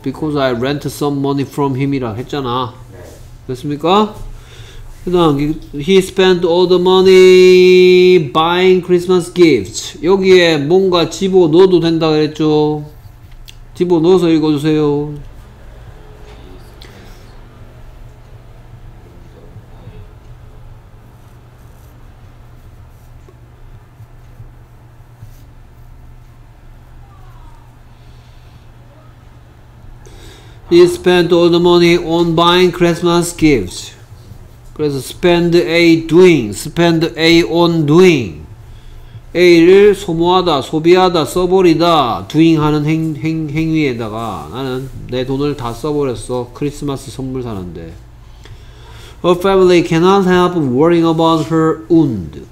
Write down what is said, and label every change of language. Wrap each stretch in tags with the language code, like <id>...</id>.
<en>Because I rent some money from him</en> <ko>이라 했잖아. 네. 됐습니까? 그 다음,</ko> <en>he spent all the money buying Christmas gifts.</en> <ko>여기에 뭔가 집어 넣어도 된다 그랬죠? 집어 넣어서 읽어주세요. 네.</ko> <en>He spent all the money on buying Christmas gifts.</en> <ko>그래서</ko> <en>spend a doing, spend a on doing.</en> <ko>a를 소모하다, 소비하다, 써버리다, doing 하는 행위에다가 나는 내 돈을 다 써버렸어. 크리스마스 선물 사는데.</ko> <en>Her family cannot help worrying about her wound.</en>